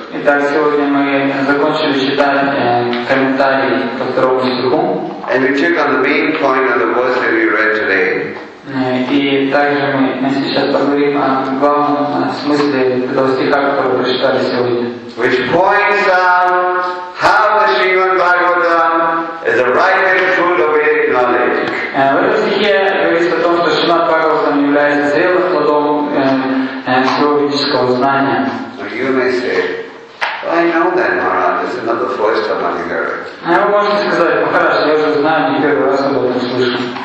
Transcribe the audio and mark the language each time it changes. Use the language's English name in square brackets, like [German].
[Russian] Итак, сегодня мы закончили читать комментарии ко второму стиху. [English] And we took on the main point of the verse that we read today. [Russian] И также мы сейчас поговорим о главном смысле этого стиха, который вы прочитали сегодня. [English] Which points out how the Srimad Bhagavatam is a right and true Vedic knowledge. [Russian] В этом стихе говорится о том, что Шримад Бхагаватам является зрелым плодом йогического знания. [English] You may say, I know that, Maharaj, this is not the first time I've heard it. [Russian] Вы можете сказать, Махарадж, я уже знаю, не первый раз об этом слышу.